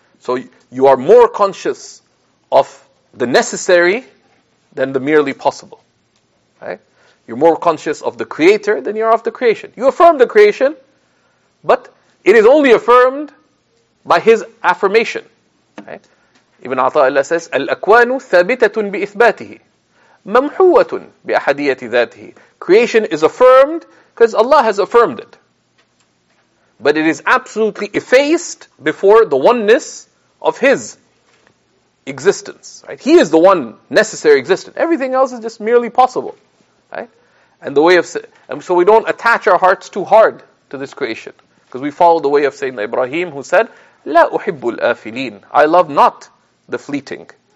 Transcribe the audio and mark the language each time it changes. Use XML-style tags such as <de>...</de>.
<en>So you are more conscious of the necessary than the merely possible. Right? You're more conscious of the Creator than you are of the creation. You affirm the creation, but it is only affirmed by His affirmation. Right? Ibn Ata'illah says,</en> <ar>الْأَكْوَانُ ثَابِتَةٌ بِإِثْبَاتِهِ مَمْحُوَةٌ بِأَحَدِيَةِ ذَاتِهِ.</ar> <en>Creation is affirmed because Allah has affirmed it. But it is absolutely effaced before the oneness of His existence, right? He is the one necessary existent. Everything else is just merely possible, right? And the way of, and so we don't attach our hearts too hard to this creation, because we follow the way of Sayyidina Ibrahim, who said,</en> <ar>"La uhibbul afilin."</ar> <en>I love not the fleeting.</en>